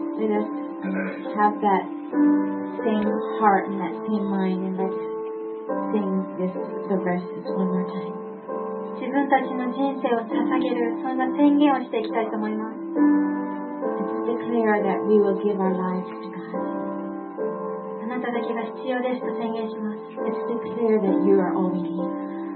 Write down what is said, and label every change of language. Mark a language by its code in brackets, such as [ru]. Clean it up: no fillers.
[en] us have that same heart and that same mind, and let's sing the verses one more time. [ja] 自分たちの人生を捧げる、そんな宣言をしていきたいと思います。 [en] Declare that we will give our lives to God. [ja] あなただけが必要ですと宣言します。 [en] Let's declare that you are all we need.